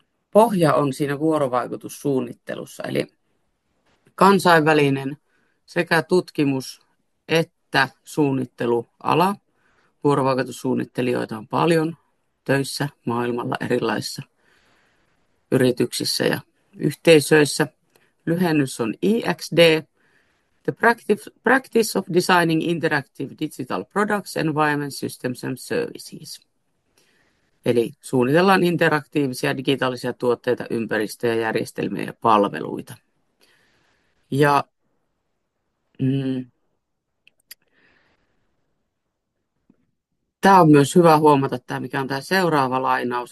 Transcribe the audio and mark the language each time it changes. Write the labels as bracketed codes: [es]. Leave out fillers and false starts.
[fi] Pohja on siinä vuorovaikutussuunnittelussa, eli kansainvälinen sekä tutkimus että suunnitteluala. Vuorovaikutussuunnittelijoita on paljon töissä maailmalla erilaisissa yrityksissä ja yhteisöissä. Lyhennys on [en] IXD, the practice of designing interactive digital products, environments, systems and services. [fi] Eli suunnitellaan interaktiivisia digitaalisia tuotteita, ympäristöjä, järjestelmiä ja palveluita. Ja tämä on myös hyvä huomata, mikä on tämä seuraava lainaus.